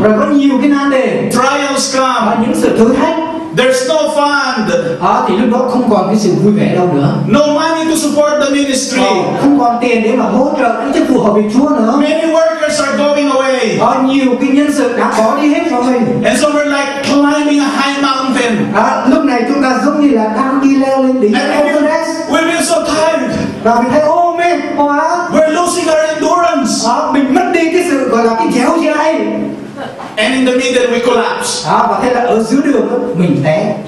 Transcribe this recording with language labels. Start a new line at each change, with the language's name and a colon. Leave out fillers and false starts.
Vietnamese: Rồi có nhiều cái nan đề.
English: Trials come.
Vietnamese: Những sự thử thách.
English: There's no fun.
Vietnamese: Thì lúc đó không còn cái sự vui vẻ đâu nữa.
English: No money to support the ministry.
Vietnamese: Không còn tiền để mà hỗ trợ cái chức vụ học việc Chúa nữa.
English: Many workers are going away.
Vietnamese: Nhiều cái nhân sự đã bỏ đi hết rồi.
English: And so we're like climbing a high mountain.
Vietnamese: Lúc này chúng ta giống như là đang đi leo lên đỉnh Everest.
English: We feel so tired.
Vietnamese: Và mình thấy ôm mệt quá.
English: We're losing our endurance.
Vietnamese: Mình mất đi cái sự gọi là cái dẻo dai.
English: And in the middle we collapse.
Vietnamese: Và thế là ở giữa đường mình té.